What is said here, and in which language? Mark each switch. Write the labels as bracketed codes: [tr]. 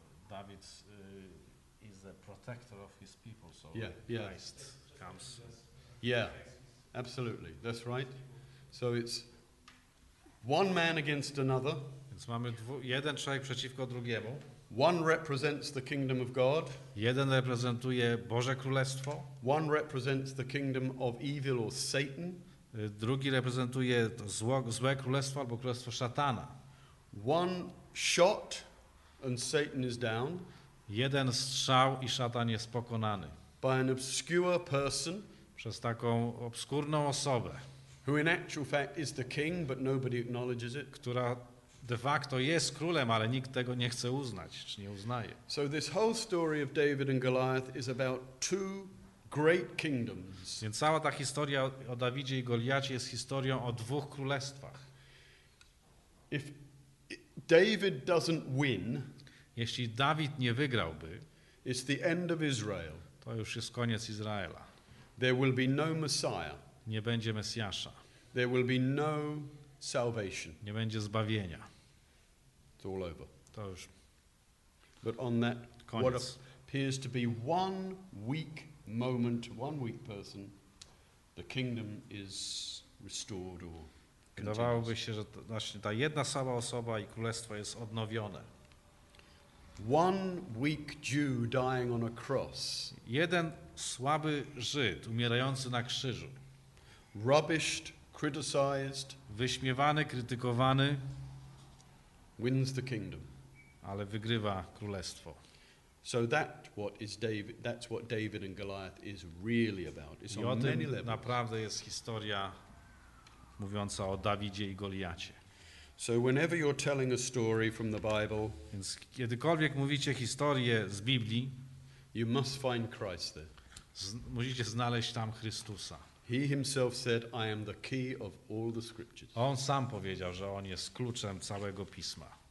[en] David is the protector of his people, so yeah, yeah. Christ comes. Yeah, absolutely, that's right. So it's one man against another. [pl] Więc mamy jeden człowiek przeciwko drugiemu. [en] One represents the kingdom of God. [pl] Jeden reprezentuje Boże Królestwo. [en] One represents the kingdom of evil or Satan. [pl] Drugi reprezentuje złe królestwo albo królestwo szatana. [en] One shot. And Satan is down. [pl] Jeden strzał i szatan jest pokonany. [en] By an obscure person. [pl] Przez taką obskurną osobę. [en] Who in actual fact is the king, but nobody acknowledges it. [pl] Która de facto jest królem, ale nikt tego nie chce uznać, czy nie uznaje. [en] So this whole story of David and Goliath is about two great kingdoms. [pl] Więc cała ta historia o Dawidzie i Goliacie jest historią o dwóch królestwach. [en] If David doesn't win, [pl] jeśli Dawid nie wygrałby, [en] it's the end of Israel. [pl] To już jest koniec Izraela. [en] There will be no Messiah. [pl] Nie będzie Mesjasza. [en] There will be no salvation. [pl] Nie będzie zbawienia. [en] It's all over. [pl] To już. [en] But on that, [pl] koniec. [en] What appears to be one weak moment, one weak person, the kingdom is restored or continues. [pl] Wydawałoby się, że właśnie ta jedna sama osoba i królestwo jest odnowione. [en] One weak Jew dying on a cross. [pl] Jeden słaby Żyd umierający na krzyżu. [en] Rubbished, criticized. [pl] Wyśmiewany, krytykowany. [en] Wins the kingdom. [pl] Ale wygrywa królestwo. [en] So that's what David and Goliath is really about. It's [pl] i [en] on [pl] o tym [en] many levels. [pl] Naprawdę jest historia mówiąca o Dawidzie i Goliacie. [en] So whenever you're telling a story from the Bible, [pl] więc kiedykolwiek mówicie historię z Biblii, [en] you must find Christ there. [pl] Musicie znaleźć tam Chrystusa. [en] He himself said, I am the key of all the scriptures. [pl] On sam powiedział, że on jest kluczem całego pisma.